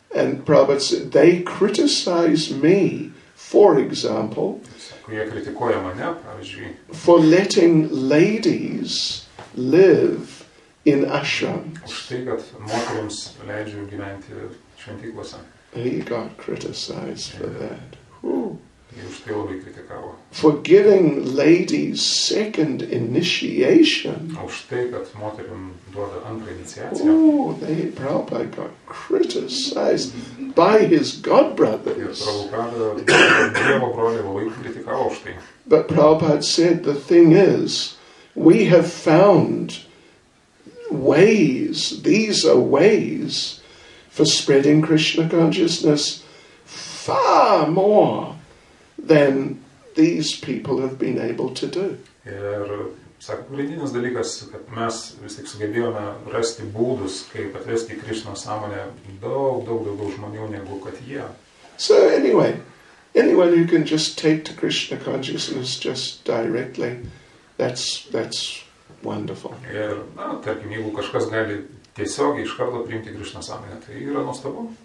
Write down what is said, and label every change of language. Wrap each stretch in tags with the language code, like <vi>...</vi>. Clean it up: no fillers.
<en>And Prabhupada said, they criticize me, for example,</en> <lt>sako, jie kritikuoja mane, pavyzdžiui,</lt> <en>for letting ladies live in ashrams.</en> <lt>Už tai, kad moterims leidžiu gyventi šventyklose.</lt> <en>He got criticized for that.</en> <lt>Už tai labai kritikavo.</lt> <en>For giving ladies second initiation.</en> <lt>Už tai, kad moterim duoda antrą iniciaciją.</lt> <en>They probably got criticized by his godbrothers.</en> <lt>Ir Prabhupada dievo broliai labai kritikavo už tai.</lt> <en>But Prabhupada said, the thing is, we have found ways, these are ways for spreading Krishna consciousness far more than these people have been able to do.</en> <lt>Ir, sako, pagrindinis dalykas, kad mes vis tik sugebėjome rasti būdus, kaip atvesti Krishna sąmonę daug daugiau žmonių negu kad jie.</lt> <en>So anyway, anyone who can just take to Krishna consciousness just directly, That's wonderful.</en> <lt>Ir, na, tarkim, jeigu kažkas gali tiesiogiai iš karto priimti Krishna sąmonę, tai yra nuostabu.</lt>